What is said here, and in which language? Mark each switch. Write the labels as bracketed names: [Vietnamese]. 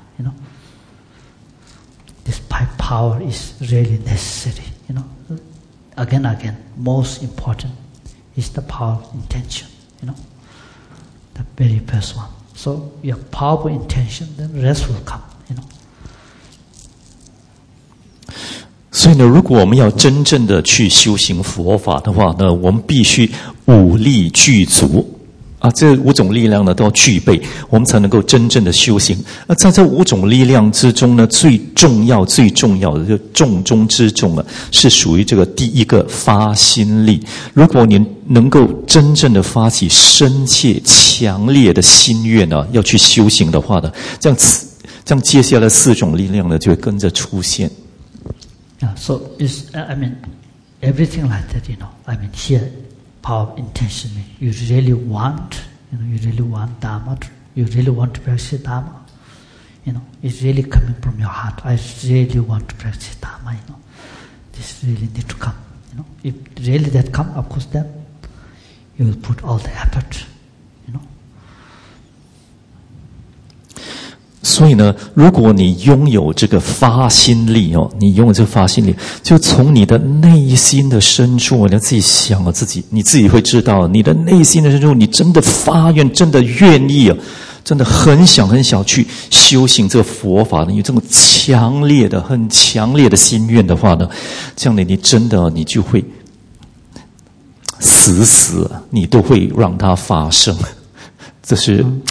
[English] You know, this five power is really necessary. You know, again, most important is the power of intention. You know, the very first one. So, you have powerful intention, then rest will come. You know. [Chinese] 所以呢，如果我们要真正的去修行佛法的话呢，我们必须五力具足啊，这五种力量呢都要具备，我们才能够真正的修行。那、啊、在这五种力量之中呢，最重要的就重中之重啊，是属于这个第一个发心力。如果你能够真正的发起深切强烈的心愿呢、啊，要去修行的话呢，这样接下来四种力量呢就会跟着出现。 [English] Yeah, so it's, I mean, everything like that, you know, I mean, here, power of intention, you really want, you know, you really want Dharma, you really want to practice Dharma, you know, it's really coming from your heart, I really want to practice Dharma, you know, this really need to come, you know, if really that come, of course then, you will put all the effort. [Chinese] 所以呢，如果你拥有这个发心力哦，你拥有这个发心力，就从你的内心的深处，你要自己想啊，自己你自己会知道，你的内心的深处，你真的发愿，真的愿意啊，真的很想很想去修行这个佛法的，有这种强烈的、很强烈的心愿的话呢，这样呢，你真的你就会死，你都会让它发生，这是。